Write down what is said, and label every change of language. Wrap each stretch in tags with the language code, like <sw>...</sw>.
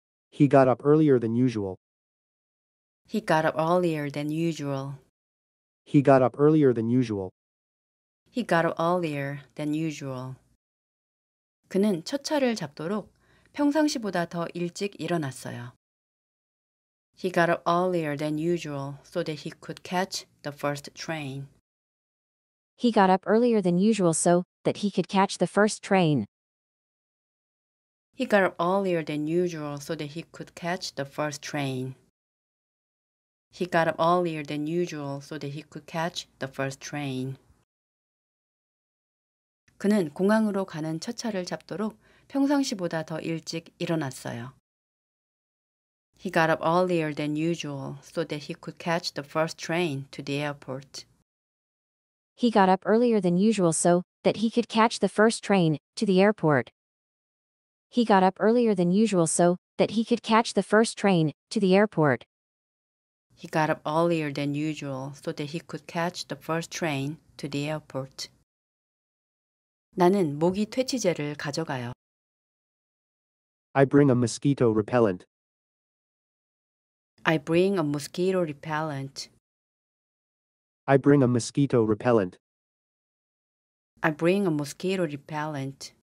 <en>He got up earlier than usual. He got up earlier than usual. He got up earlier than usual. He got up earlier than usual.</en> <ko>그는 첫 차를 잡도록 평상시보다 더 일찍 일어났어요.</ko> <en>He got up earlier than usual so that he could catch the first train. He got up earlier than usual so that he could catch the first train. He got up earlier than usual so that he could catch the first train. He got up earlier than usual so that he could catch the first train.</en> <ko>그는 공항으로 가는 첫 차를 잡도록 평상시보다 더 일찍 일어났어요.</ko> <en>He got up earlier than usual so that he could catch the first train to the airport. He got up earlier than usual so that he could catch the first train to the airport. He got up earlier than usual so that he could catch the first train to the airport. He got up earlier than usual so that he could catch the first train to the airport.</en> <ko>나는 모기 퇴치제를 가져가요.</ko> <en>I bring a mosquito repellent. I bring a mosquito repellent. I bring a mosquito repellent. I bring a mosquito repellent.</en>